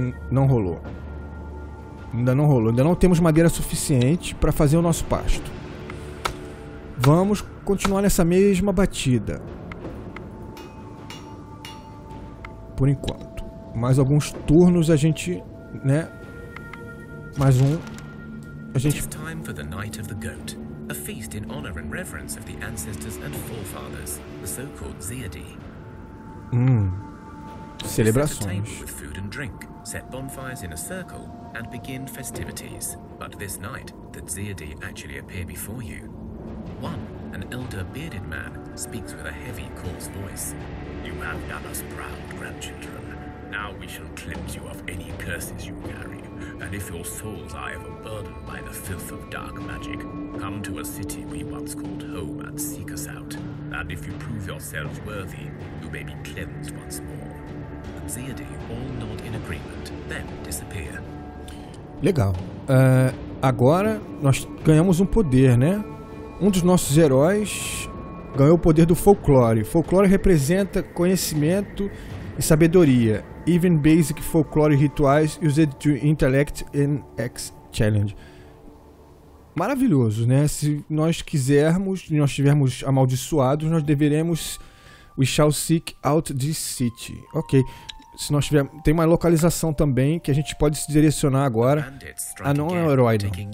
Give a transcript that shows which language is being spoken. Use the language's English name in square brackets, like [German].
[Portuguese] Não rolou. Ainda não rolou. Ainda não temos madeira suficiente para fazer o nosso pasto. Vamos continuar nessa mesma batida. Por enquanto. Mais alguns turnos a gente, né? Mais um. A gente. [English] Time for the Night of the Goat, a feast in honor and reverence of the ancestors and forefathers, the so-called Zeady. [Portuguese] Celebrações. [English] With food and drink, set bonfires in a circle and begin festivities. But this night, the Zeady actually appear before you. One, an elder bearded man, speaks with a heavy, coarse voice. You have done us proud, grandchildren. Now we shall cleanse you of any curses you carry. And if your souls are ever burdened by the filth of dark magic, come to a city we once called home and seek us out. And if you prove yourselves worthy, you may be cleansed once more. The Zeady all nod in agreement, then disappear. [Portuguese] Legal. Agora nós ganhamos um poder, né? Um dos nossos heróis ganhou o poder do folclore. Folclore representa conhecimento e sabedoria. [English] Even basic folklore rituals used to intellect in X challenge. [Portuguese] Maravilhoso, né? Se nós quisermos, se nós estivermos amaldiçoados, nós deveremos. [English] We shall seek out this city. Ok. [Portuguese] Se nós tiver, tem uma localização também que a gente pode se direcionar agora. Ah, não é um herói, não.